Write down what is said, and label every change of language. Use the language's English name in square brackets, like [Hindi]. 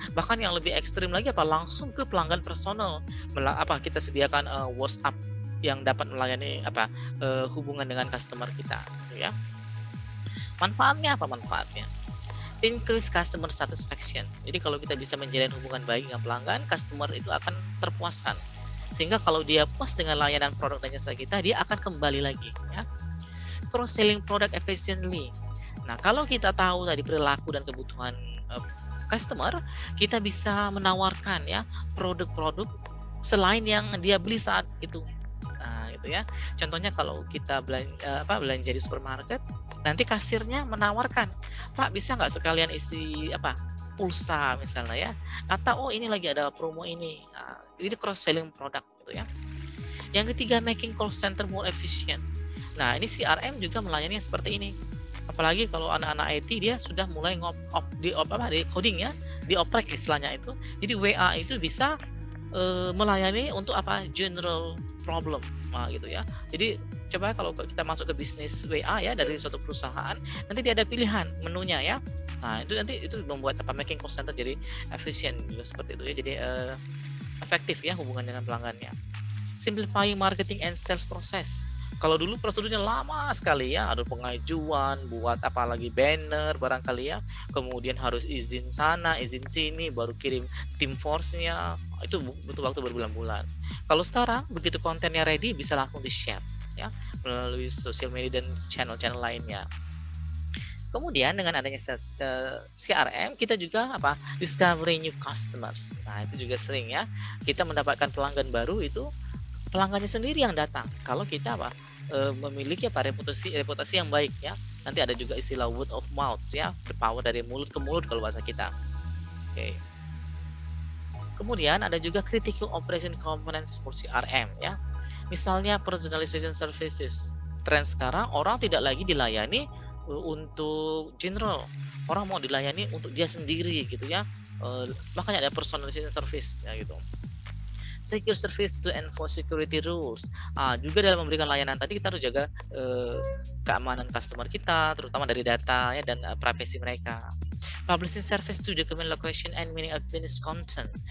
[Indonesian] Bahkan yang lebih ekstrim lagi apa? Langsung ke pelanggan personal. Apa kita sediakan WhatsApp yang dapat melayani apa hubungan dengan customer kita gitu ya. Manfaatnya apa? Manfaatnya [English] increase customer satisfaction. [Indonesian] Jadi kalau kita bisa menjalin hubungan baik dengan pelanggan, customer itu akan terpuaskan. Sehingga kalau dia puas dengan layanan produk dan jasa kita, dia akan kembali lagi ya. [English] Cross selling product efficiently. [Indonesian] Nah, kalau kita tahu tadi perilaku dan kebutuhan customer, kita bisa menawarkan ya produk-produk selain yang dia beli saat itu. Nah, gitu ya. Contohnya kalau kita belanja di supermarket, nanti kasirnya menawarkan, "Pak, bisa nggak sekalian isi apa? Pulsa misalnya ya. Atau oh, ini lagi ada promo ini." Nah, itu cross selling produk gitu ya. Yang ketiga, [English] making call center more efficient. [Indonesian] Nah, ini CRM juga melayani seperti ini. Apalagi kalau anak-anak IT dia sudah mulai di coding ya, di oprek istilahnya itu. Jadi WA itu bisa melayani untuk apa? [English] General problem [Indonesian] nah, gitu ya. Jadi coba kalau kita masuk ke bisnis WA ya dari suatu perusahaan, nanti dia ada pilihan menunya ya. Nah, itu nanti itu membuat apa? [English] Making call center [Indonesian] jadi efisien juga seperti itu ya. Jadi efektif ya hubungan dengan pelanggannya. [English] Simplifying marketing and sales process. [Indonesian] Kalau dulu prosedurnya lama sekali ya, ada pengajuan, buat apalagi banner barangkali ya, kemudian harus izin sana, izin sini, baru kirim tim force-nya, itu butuh waktu berbulan-bulan. Kalau sekarang begitu kontennya ready, bisa langsung di-share ya melalui sosial media dan channel-channel lainnya. Kemudian dengan adanya CRM, kita juga apa, [English] discovering new customers. [Indonesian] Nah, itu juga sering ya, kita mendapatkan pelanggan baru itu pelanggannya sendiri yang datang. Kalau kita apa memiliki apa reputasi yang baik ya. Nanti ada juga istilah word of mouth ya, [English] the power [Indonesian] dari mulut ke mulut kalau bahasa kita. Oke. Kemudian ada juga [English] critical operation components for CRM ya. Misalnya personalization services. [Indonesian] Tren sekarang orang tidak lagi dilayani untuk general. Orang mau dilayani untuk dia sendiri gitu ya. Makanya ada personalization service ya gitu. [English] secure service to enforce security rules. [Indonesian] Juga dalam memberikan layanan tadi kita harus jaga keamanan customer kita, terutama dari data ya, dan privacy mereka. [English] Publishing service to document location and meaning of business content.